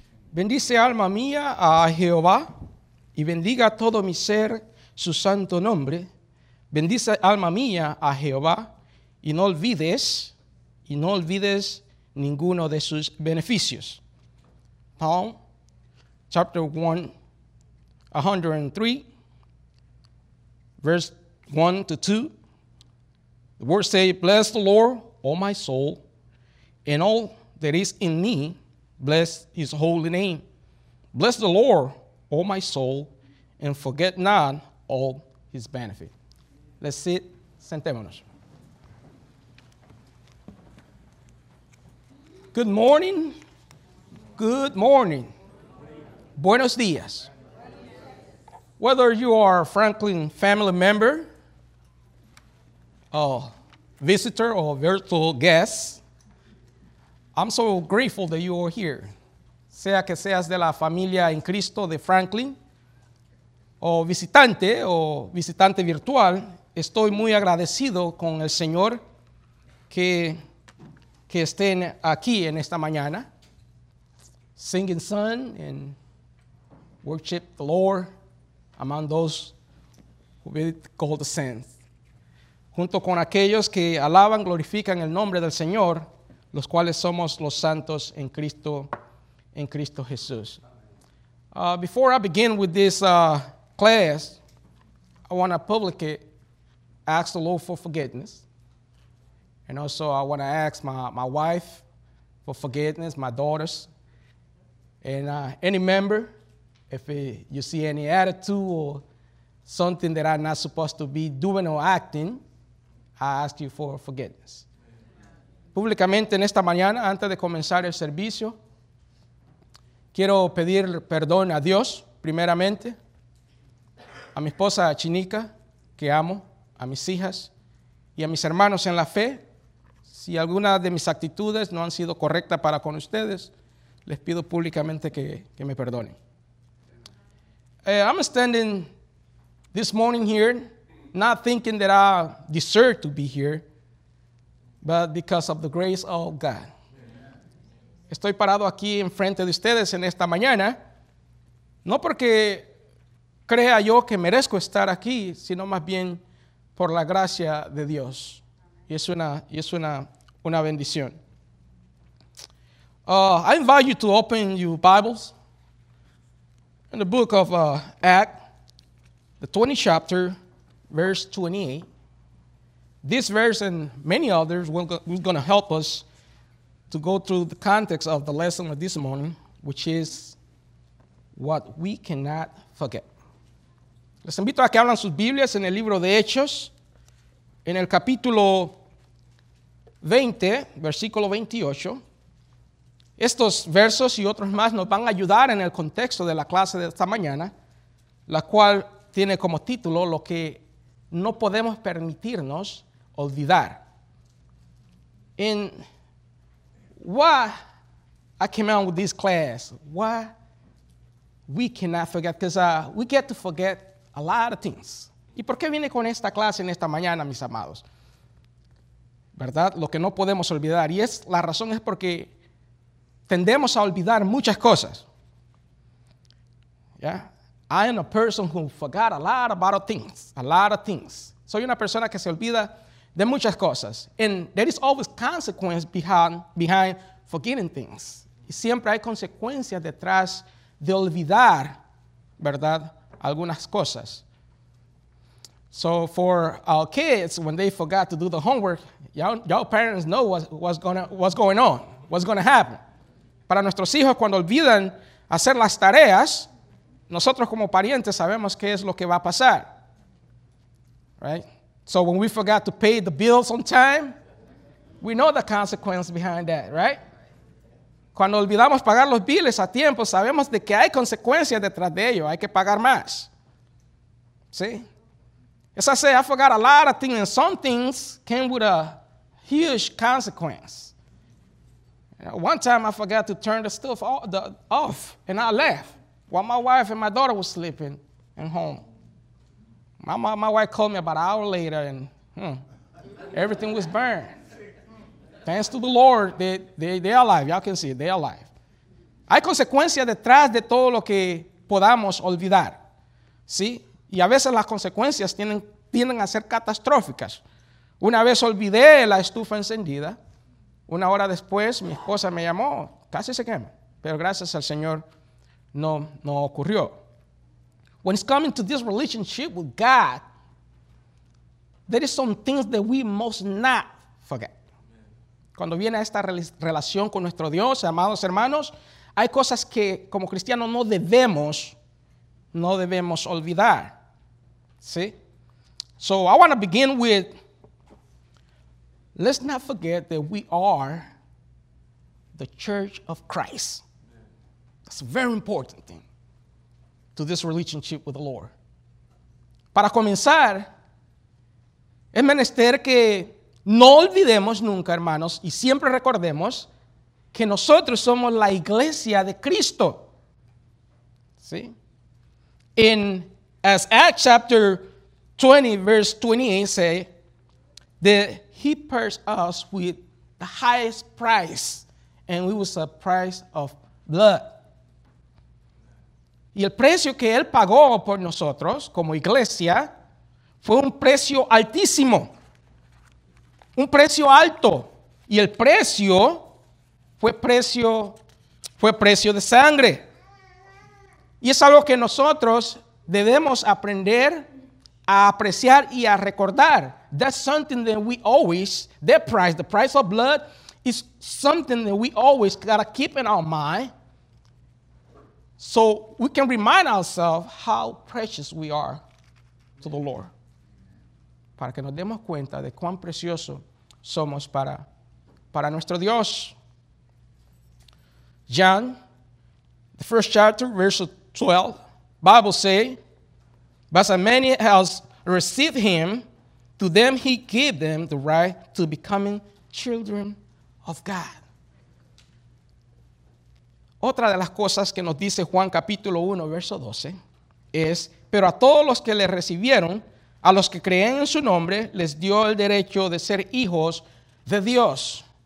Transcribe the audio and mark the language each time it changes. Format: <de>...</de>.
<es>Bendice alma mía a Jehová y bendiga todo mi ser su santo nombre. Bendice alma mía a Jehová y no olvides ninguno de sus beneficios.</es> <en>Psalm chapter 103, verse 1 to 2. The word say, bless the Lord, O my soul, and all that is in me, bless his holy name. Bless the Lord, O my soul, and forget not all his benefit. Let's sit.</en> <es>Sentémonos.</es> <en>Good morning. Good morning.</en> <es>Buenos dias.</es> <en>Whether you are a Franklin family member, a visitor, or a virtual guest, I'm so grateful that you are here.</en> <es>Sea que seas de la familia en Cristo de Franklin, o visitante virtual, estoy muy agradecido con el Señor que estén aquí en esta mañana.</es> <en>Singing Sun and worship the Lord among those who be called the saints.</en> <es>Junto con aquellos que alaban, glorifican el nombre del Señor, los cuales somos los santos en Cristo Jesús.</es> <en>Before I begin with this class, I want to publicly ask the Lord for forgiveness. And also I want to ask my wife for forgiveness, my daughters, and any member, if you see any attitude or something that I'm not supposed to be doing or acting, I ask you for forgiveness.</en> <es>Públicamente en esta mañana, antes de comenzar el servicio, quiero pedir perdón a Dios, primeramente, a mi esposa Chinica, que amo, a mis hijas y a mis hermanos en la fe. Si alguna de mis actitudes no han sido correctas para con ustedes, les pido públicamente que me perdonen.</es> <en>I'm standing this morning here, not thinking that I deserve to be here, but because of the grace of God.</en> <es>Estoy parado aquí enfrente de ustedes en esta mañana, no porque crea yo que merezco estar aquí, sino más bien por la gracia de Dios. Y es una bendición.</es> <en>I invite you to open your Bibles in the book of Acts, the 20th chapter, verse 28. This verse and many others will going to help us to go through the context of the lesson of this morning, which is what we cannot forget.</en> <es>Les invito a que abran sus Biblias en el libro de Hechos, en el capítulo 20, versículo 28. Estos versos y otros más nos van a ayudar en el contexto de la clase de esta mañana, la cual tiene como título lo que no podemos permitirnos olvidar.</es> <en>In why I came out with this class, why we cannot forget, because we get to forget a lot of things.</en> <es>¿Y por qué vine con esta clase en esta mañana, mis amados? ¿Verdad? Lo que no podemos olvidar. Y es la razón es porque tendemos a olvidar muchas cosas.</es> <en>Yeah? I am a person who forgot a lot about things. A lot of things.</en> <es>Soy una persona que se olvida de muchas cosas.</es> <en>And there is always consequence behind forgetting things.</en> <es>Y siempre hay consecuencias detrás de olvidar, ¿verdad? Algunas cosas.</es> <en>So for our kids, when they forgot to do the homework, y'all parents know what's going to happen.</en> <es>Para nuestros hijos, cuando olvidan hacer las tareas, nosotros como parientes sabemos qué es lo que va a pasar.</es> <en>Right? So when we forgot to pay the bills on time, we know the consequence behind that, right?</en> <es>Cuando olvidamos pagar los biles a tiempo, sabemos de que hay consecuencias detrás de ello. Hay que pagar más. ¿Sí?</es> <en>As I say, I forgot a lot of things, and some things came with a huge consequence. One time I forgot to turn the stove off, and I left while my wife and my daughter were sleeping at home. My wife called me about an hour later, and everything was burned. Thanks to the Lord, they are alive. Y'all can see it, they are alive.</en> <es>Hay consecuencias detrás de todo lo que podamos olvidar, ¿sí? Y a veces las consecuencias tienden a ser catastróficas. Una vez olvidé la estufa encendida. Una hora después, mi esposa me llamó, casi se quema. Pero gracias al Señor, no ocurrió.</es> <en>When it's coming to this relationship with God, there is some things that we must not forget.</en> <es>Cuando viene a esta relación con nuestro Dios, amados hermanos, hay cosas que como cristianos no debemos olvidar. ¿Sí?</es> <en>So I want to begin with, let's not forget that we are the Church of Christ. That's a very important thing to this relationship with the Lord.</en> <es>Para comenzar, es menester que no olvidemos nunca, hermanos, y siempre recordemos que nosotros somos la Iglesia de Cristo. ¿Sí?</es> <en>In as Acts chapter 20, verse 28 say that He purchased us with the highest price, and it was a price of blood.</en> <es>Y el precio que Él pagó por nosotros como iglesia fue un precio altísimo. Un precio alto. Y el precio fue precio de sangre. Y es algo que nosotros debemos aprender a apreciar y a recordar.</es> <en>That's something that we always, that price, the price of blood, is something that we always gotta keep in our mind so we can remind ourselves how precious we are to the Lord.</en> <es>para que nos demos cuenta de cuán precioso somos para nuestro Dios.</es> <en>John, the first chapter, verse 12, Bible say, but as many as received him, to them he gave them the right to becoming children of God.</en> <es>Otra de las cosas que nos dice Juan capítulo 1, verso 12, es, pero a todos los que le recibieron, a los que creen en su nombre, les dio el derecho de ser hijos de Dios.</es>